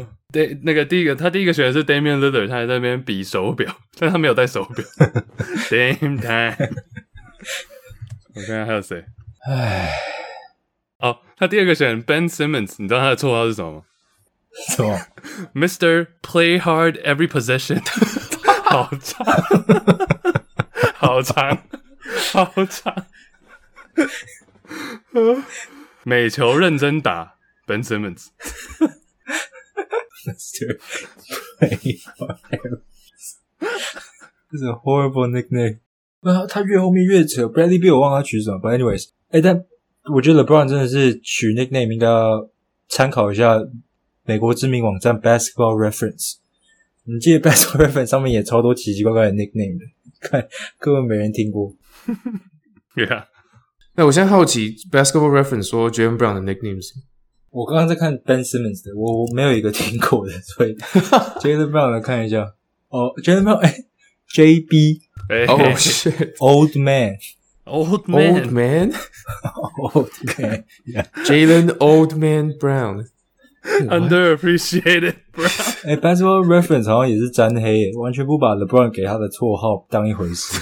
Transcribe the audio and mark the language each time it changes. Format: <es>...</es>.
<zh>对，那个第一个，他第一个选的是 Damian Lillard， 他还在那边比手表，但他没有戴手表。</zh> <en>Damn time，</en> <zh>我看看还有谁？唉，哦，他第二个选 Ben Simmons， 你知道他的绰号是什么吗？什么？Mr.</zh> <en>Play Hard Every Possession，</en> <zh>好长，好长，好长。每球认真打 ，Ben Simmons。</zh> <en>That's a horrible nickname.</en> <zh>他越后面越扯 Bradley Beal 我忘了他取什么</zh> <en>But anyways</en> <zh>但我觉得 LeBron 真的是取 nickname 应该要参考一下美国知名网站 Basketball Reference。你记得 Basketball Reference 上面也超多奇奇怪怪的 nickname 的，看根本没人听过。 Yeah，那我现在好奇 Basketball Reference 说 Jaylen Brown 的 nicknames。我刚刚在看 Ben Simmons 的，我没有一个听过的，所以Jaylen Brown 来看一下。哦、Jaylen Brown， 哎、欸、，JB， 哎、</zh> <en>hey. ，Oh shit，Old Man。 Old man. Old man? Old man.、Yeah. Jaylen Old Man Brown. Underappreciated Brown.</en> <zh>、欸、Basketball Reference 好像也是沾黑耶，完全不把 LeBron 给他的绰号当一回事。</zh>